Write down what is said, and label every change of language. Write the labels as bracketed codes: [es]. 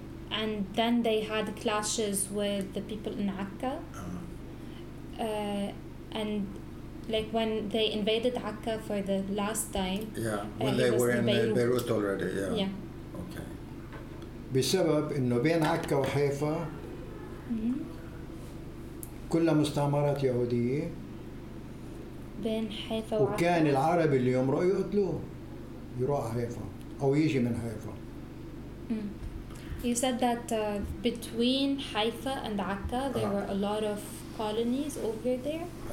[en] And then they had clashes with the people in Akka. And like when they invaded Akka for the last time. Yeah, when they were in Beirut already, yeah. Yeah. Okay. [ar] بسبب إنه بين عكا وحيفا كلها مستعمرات يهودية. بين حيفا وعكا. وكان العرب اللي يمرق يقتلوه يروح حيفا أو يجي من حيفا. [en] You said that between Haifa and Akka there were a lot of colonies over there.